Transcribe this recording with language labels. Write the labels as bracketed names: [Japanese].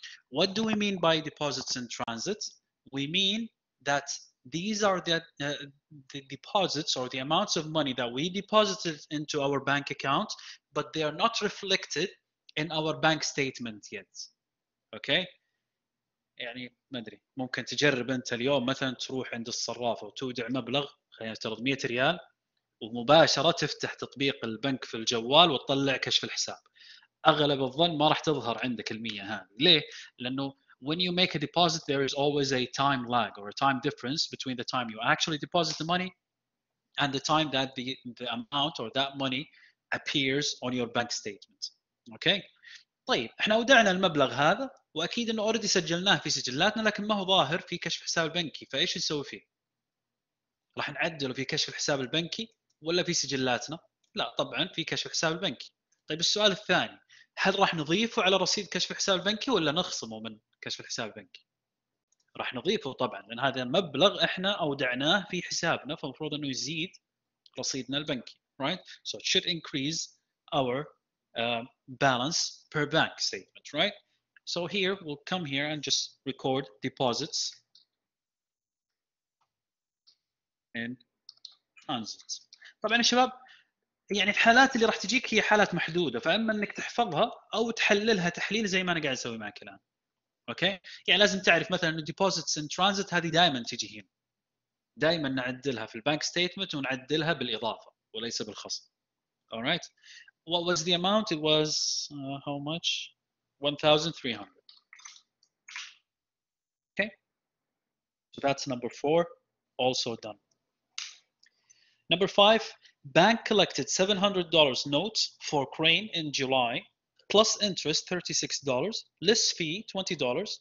[English] What do we mean by deposits in transit? We mean that these are the deposits or the amounts of money that we deposited into our bank account, but they are not reflected in our bank statement yet. Okay? [Arabic] يعني ما أدري ممكن تجرب أنت اليوم مثلا تروح عند الصرافة وتودع مبلغ خلينا نفترض 100 ريال ومباشرة تفتح تطبيق البنك في الجوال وتطلع كشف الحساب. أغلب الظن ما راح تظهر عندك المية هذه. ليه؟ لأنه [English] when you make a deposit there is always a time lag or a time difference between the time you actually deposit the money and the time that the amount or that money appears on your bank statement. [Arabic] Okay؟ طيب إحنا ودعنا المبلغ هذا وأكيد إنه already سجلناه في سجلاتنا لكن ما هو ظاهر في كشف حساب البنكي. فإيش نسوي فيه؟ راح نعدله في كشف الحساب البنكي ولا في سجلاتنا؟ لا طبعا في كشف حساب البنكي. طيب السؤال الثاني, هل راح نضيفه على رصيد كشف الحساب البنكي ولا نخصمه من كشف الحساب البنكي؟ راح نضيفه طبعا لان هذا المبلغ احنا اودعناه في حسابنا فالمفروض انه يزيد رصيدنا البنكي, right? [English] So it should increase our balance per bank statement, right? So here we'll come here and just record deposits in transit. [Arabic] طبعا يا شباب يعني الحالات اللي راح تجيك هي حالات محدوده, فاما انك تحفظها او تحللها تحليل زي ما انا قاعد اسوي معك الان. اوكي, يعني لازم تعرف مثلا ان deposits in transit هذه دائما تجي هنا, دائما نعدلها في البنك ستيتمنت ونعدلها بالاضافه وليس بالخصم. [English] Alright, what was the amount? It was how much? 1300. Okay, so that's number four also done. Number five, bank collected $700 notes for crane in July, plus interest $36, list fee $20.